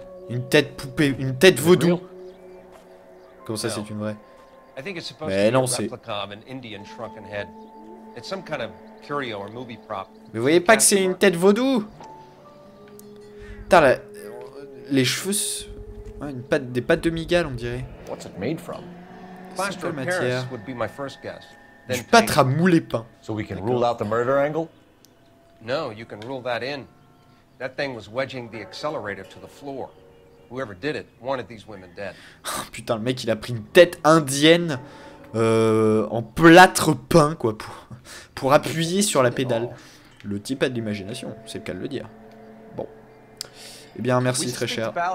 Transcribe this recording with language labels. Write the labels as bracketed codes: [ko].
[fr] Une tête poupée, une tête vaudou. Comment ça, c'est une vraie? [en] I think it's supposed to be a replica of an Indian shrunken head. It's some kind of curio or movie prop. [fr] Mais voyez pas que c'est une tête vaudou? T'as les cheveux, une patte, des pattes de migale, on dirait. [en] What's it made from? Plaster of Paris would be my first guess. [fr] Du pâtre à moules et pain. [en] So we can rule out the murder angle? No, you can rule that in. That thing was wedging the accelerator to the floor. Whoever did it wanted these women dead. [fr] Putain, le mec, il a pris une tête indienne en plâtre peint, quoi, pour appuyer sur la pédale. Le type a de l'imagination, c'est le cas de le dire. Bon. Eh bien, merci, très cher.